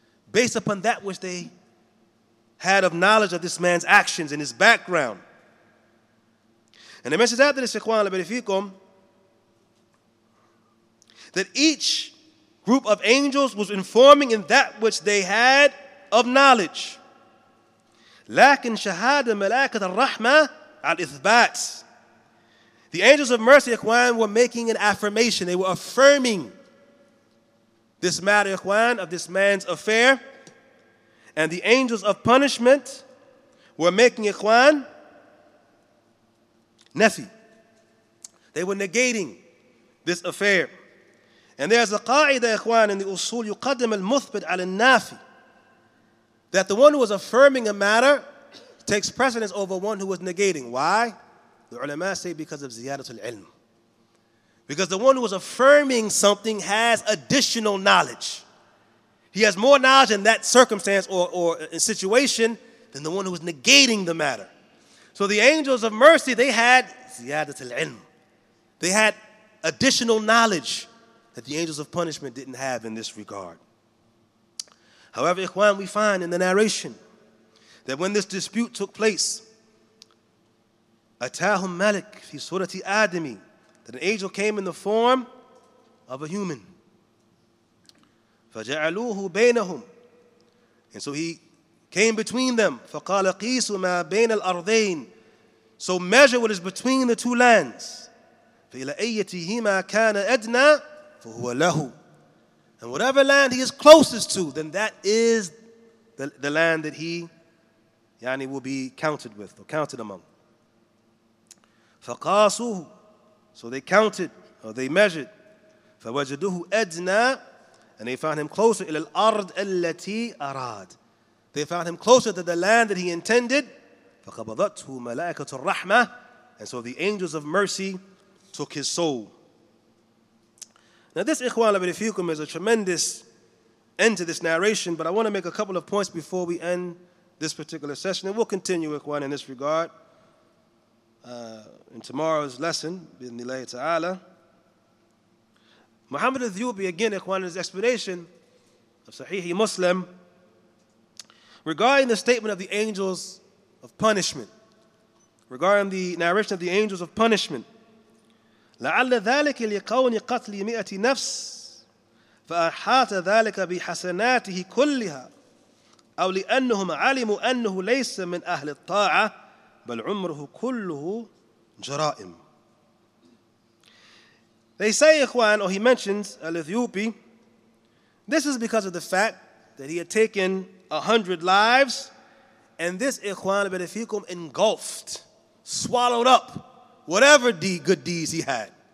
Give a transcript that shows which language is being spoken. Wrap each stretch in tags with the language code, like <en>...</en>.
<en>Based upon that which they had of knowledge of this man's actions and his background. And the message after this,</en> <ar>إِخْوَانَ لَبَرِفِيكُمْ,</ar> <en>that each group of angels was informing in that which they had of knowledge.</en> <ar>لكن شهادة ملائكة الرحمة على الإثبات.</ar> <en>The angels of mercy, إخوان, were making an affirmation. They were affirming this matter, إخوان, of this man's affair. And the angels of punishment were making, إخوان, نفي. They were negating this affair. And there's a</en> <ar>قاعدة, إخوان,</ar> <en>in the</en> <ar>أصول يقدم المثبت على النافي.</ar> <en>That the one who was affirming a matter takes precedence over one who was negating. Why? The ulama say because of ziyadatul ilm. Because the one who was affirming something has additional knowledge. He has more knowledge in that circumstance or in situation than the one who was negating the matter. So the angels of mercy, they had ziyadatul ilm. They had additional knowledge that the angels of punishment didn't have in this regard. However, إخوان, we find in the narration that when this dispute took place,</en> <ar>أتاهم ملك في سورة آدمي,</ar> <en>that an angel came in the form of a human.</en> <ar>فجعلوه بينهم,</ar> <en>and so he came between them.</en> <ar>فقال قيسوا ما بين الأرضين,</ar> <en>so measure what is between the two lands.</en> <ar>فإلى أيتهما كان أدنى فهو له.</ar> <en>And whatever land he is closest to, then that is the land that he, yani, will be counted with or counted among.</en> <ar>فَقَاسُهُ,</ar> <en>so they counted or they measured.</en> <ar>فَوَجَدُهُ أَدْنَى,</ar> <en>and they found him closer.</en> <ar>إِلَى الْأَرْضِ الَّتِي أَرَادَ,</ar> <en>they found him closer to the land that he intended.</en> <ar>فَقَبَضَتْهُ مَلَائِكَةُ الرَّحْمَةِ,</ar> <en>and so the angels of mercy took his soul. Now this,</en> <ar>إخوان أبي رفيكم,</ar> <en>is a tremendous end to this narration, but I want to make a couple of points before we end this particular session, and we'll continue, إخوان, in this regard in tomorrow's lesson,</en> <ar>بإذن الله تعالى.</ar> <en>Muhammad al-Thiyubi, again, إخوان, his explanation of Sahih Muslim regarding the statement of the angels of punishment, regarding the narration of the angels of punishment.</en> <ar>لعل ذلك لكون قتل مئة نفس فأحاط ذلك بحسناته كلها أو لأنهم علموا أنه ليس من أهل الطاعة بل عمره كله جرائم.</ar> <en>They say, إخوان, or he mentions Al-Thiyubi, this is because of the fact that he had taken 100 lives, and this, إخوان, بلفيكم, engulfed, swallowed up whatever good deeds he had.</en>